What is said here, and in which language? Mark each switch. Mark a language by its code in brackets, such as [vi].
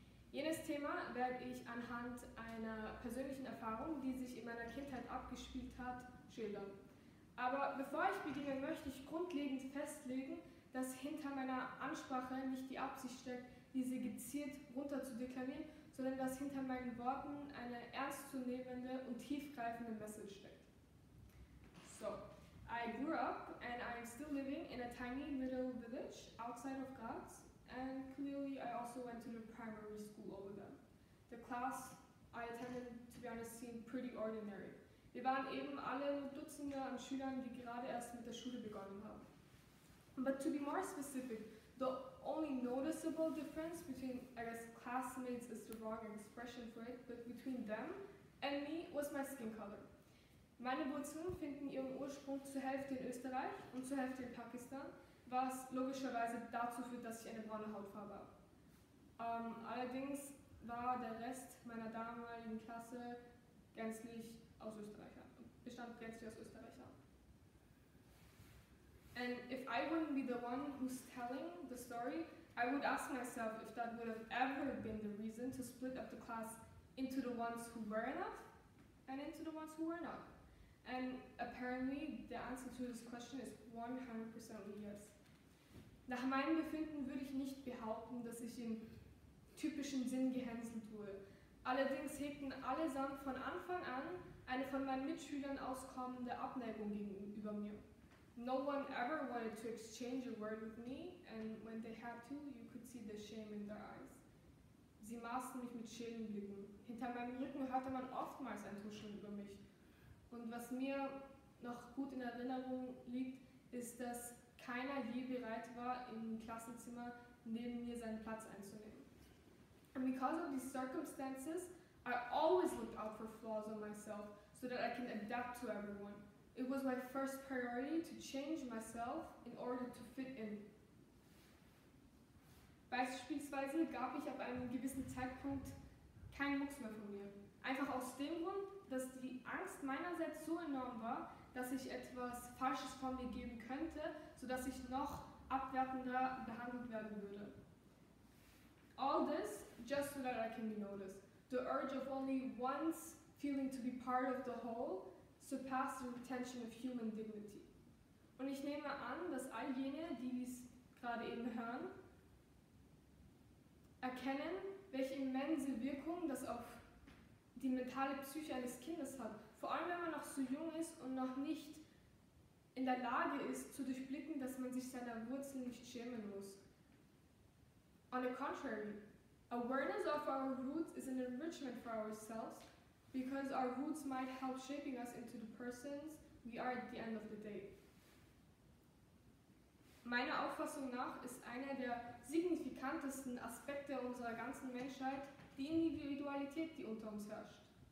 [de] Jenes Thema werde ich anhand einer persönlichen Erfahrung, die sich in meiner Kindheit abgespielt hat, schildern. Aber bevor ich beginne, möchte ich grundlegend festlegen, dass hinter meiner Ansprache nicht die Absicht steckt, diese gezielt runterzudeklamieren, sondern dass hinter meinen Worten eine ernstzunehmende und tiefgreifende Message steckt. [en] So, I grew up and I am still living in a tiny middle village outside of Graz, and clearly I also went to the primary school over there. The class I attended, to be honest, seemed pretty ordinary. [de] Wir waren eben alle Dutzende an Schülern, die gerade erst mit der Schule begonnen haben. [en] But to be more specific, the only noticeable difference between, I guess, classmates is the wrong expression for it, but between them and me was my skin color. [de] Meine Wurzeln finden ihren Ursprung zur Hälfte in Österreich und zur Hälfte in Pakistan, was logischerweise dazu führt, dass ich eine braune Hautfarbe habe. Allerdings war der Rest meiner damaligen Klasse gänzlich aus Österreicher, bestand gänzlich aus Österreicher. [en] And if I wouldn't be the one who's telling the story, I would ask myself if that would have ever been the reason to split up the class into the ones who were enough and into the ones who were not. And apparently the answer to this question is 100% yes. [de] Nach meinem Befinden würde ich nicht behaupten, dass ich im typischen Sinn gehänselt wurde. Allerdings hegten allesamt von Anfang an eine von meinen Mitschülern auskommende Abneigung gegenüber mir. [en] No one ever wanted to exchange a word with me, and when they had to, you could see the shame in their eyes. [de] Sie maßen mich mit Schädenblicken. Hinter meinem Rücken hörte man oftmals ein Tuscheln über mich. Und was mir noch gut in Erinnerung liegt, ist, dass keiner je bereit war, im Klassenzimmer neben mir seinen Platz einzunehmen. [en] And because of these circumstances, I always looked out for flaws on myself, so that I can adapt to everyone. It was my first priority to change myself in order to fit in. [de] Beispielsweise gab ich ab einem gewissen Zeitpunkt keinen Mucks mehr von mir. Einfach aus dem Grund, dass die Angst meinerseits so enorm war, dass ich etwas Falsches von mir geben könnte, sodass ich noch abwertender behandelt werden würde. [en] All this just so that I can be noticed. The urge of only once feeling to be part of the whole surpassed the retention of human dignity. [de] Und ich nehme an, dass all jene, die dies gerade eben hören, erkennen, welche immense Wirkung das auf die mentale Psyche eines Kindes hat. Vor allem, wenn man noch so jung ist und noch nicht in der Lage ist, zu durchblicken, dass man sich seiner Wurzeln nicht schämen muss. [en] On the contrary, awareness of our roots is an enrichment for ourselves, because our roots might help shaping us into the persons we are at the end of the day. [de] Meiner Auffassung nach ist einer der signifikantesten Aspekte unserer ganzen Menschheit die Individualität, die unter uns herrscht.